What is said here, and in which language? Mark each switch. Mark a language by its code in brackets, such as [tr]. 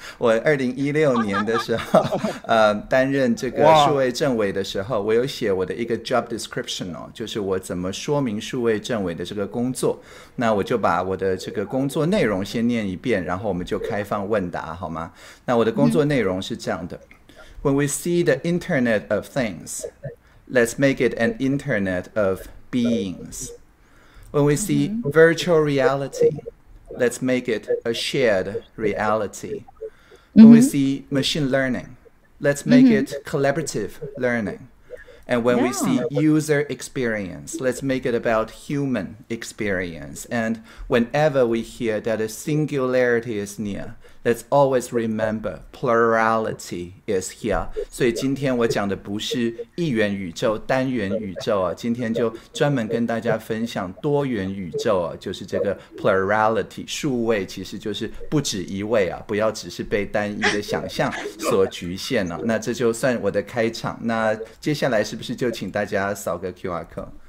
[zh] 我2016年的时候，担任这个数哇！位政委的时候，我有写我的一个 job description 哦，就是我怎么说明数位政委的这个工作。那我就把我的这个工作内容先念一遍，然后我们就开放问答，好吗？那我的工作内容是这样的： [en] When we see the Internet of Things, let's make it an Internet of beings. When we see virtual reality, let's make it a shared reality. When we see machine learning, let's make it collaborative learning. And when we see user experience, let's make it about human experience. And whenever we hear that a singularity is near, let's always remember plurality is here. [zh] 所以今天我讲的不是一元宇宙、单元宇宙啊，今天就专门跟大家分享多元宇宙啊，就是这个 plurality 数位，其实就是不止一位啊，不要只是被单一的想象所局限了啊。那这就算我的开场，那接下来是不是就请大家扫个 QR code？